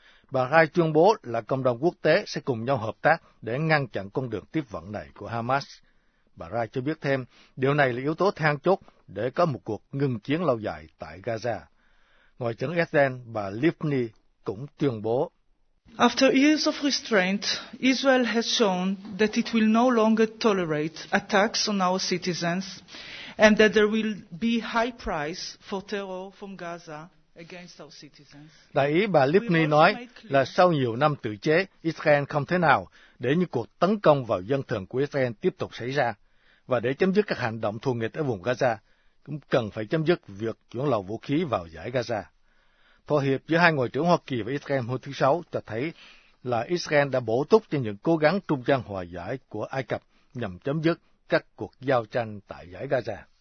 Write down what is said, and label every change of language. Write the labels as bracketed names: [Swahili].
[Vietnamese] Bà Rai tuyên bố là cộng đồng quốc tế sẽ cùng nhau hợp tác để ngăn chặn con đường tiếp vận này của Hamas. Bà Rai cho biết thêm, điều này là yếu tố then chốt để có một cuộc ngừng chiến lâu dài tại Gaza. Ngoại trưởng Israel bà Livni cũng tuyên bố: [English] After years of restraint, Israel has shown that it will no longer tolerate attacks on our citizens and that there will be high price for terror from Gaza against our citizens. [Vietnamese] Đại ý bà Livni nói là sau nhiều năm tự chế, Israel không thể nào để những cuộc tấn công vào dân thường của Israel tiếp tục xảy ra, và để chấm dứt các hành động thù nghịch ở vùng Gaza, cũng cần phải chấm dứt việc chuyển lậu vũ khí vào dải Gaza. Thỏa hiệp giữa hai ngoại trưởng Hoa Kỳ và Israel hôm thứ Sáu cho thấy là Israel đã bổ túc cho những cố gắng trung gian hòa giải của Ai Cập nhằm chấm dứt các cuộc giao tranh tại dải Gaza.